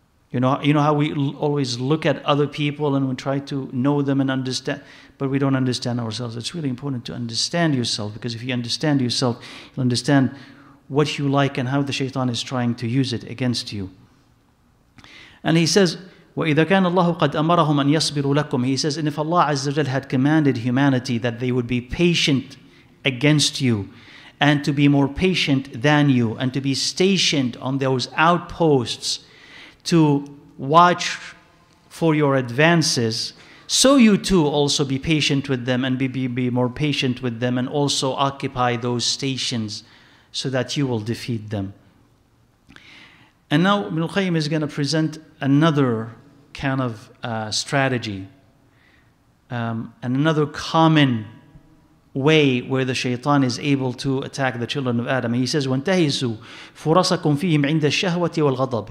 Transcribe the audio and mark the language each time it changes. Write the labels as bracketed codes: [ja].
[en] You know how we always look at other people and we try to know them and understand, but we don't understand ourselves. It's really important to understand yourself, because if you understand yourself, you'll understand what you like and how the shaitan is trying to use it against you. And he says, [ar] وَإِذَا كَانَ اللَّهُ قَدْ أَمَرَهُمْ أَنْ يَصْبِرُوا لَكُمْ. [en] He says, and if Allah Azza wa Jalla had commanded humanity that they would be patient against you, and to be more patient than you, and to be stationed on those outposts, to watch for your advances, so you too also be patient with them and be more patient with them, and also occupy those stations so that you will defeat them. And now Ibn al-Qayyim is going to present another kind of strategy, and another common way where the shaitan is able to attack the children of Adam. And he says, [ar] وَانْتَهِسُوا فُرَصَكُمْ فِيهِمْ عِنْدَ الشَّهْوَةِ وَالْغَضَبِ.